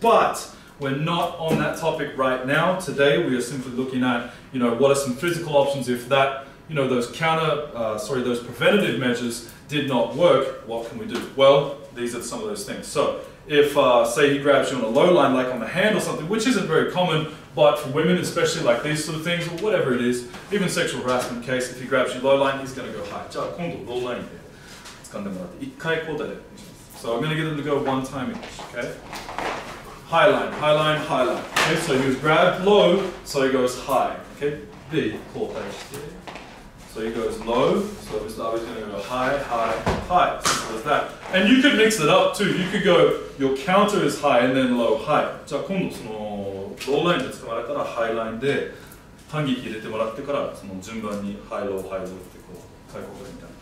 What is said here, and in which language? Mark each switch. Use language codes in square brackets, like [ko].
[en] But we're not on that topic right now. Today, we are simply looking at, you know, what are some physical options if that, you know, those preventative measures did not work, what can we do? Well, these are some of those things. So, if, say, he grabs you on a low line, like on the hand or something, which isn't very common, but for women, especially like these sort of things, or whatever it is, even sexual harassment case, if he grabs you low line, he's going to go high. [ja] じゃあ今度ローラインで掴んでもらって一回こうだね。 [en] So I'm going to get him to go one time each, okay? High line, high line, high line. Okay, so he was grabbed low, so he goes high. Okay, B, [ja] こうだね。 [en] So he goes low, so Mr. Abe's going to go high, high, high. Simple as that. And you could mix it up too. You could go, your counter is high and then low, high. [ja] じゃあ今度そのローラインで捕まれたらハイラインで反撃入れてもらってからその順番にハイロー、ハイローってこう開口みたいな。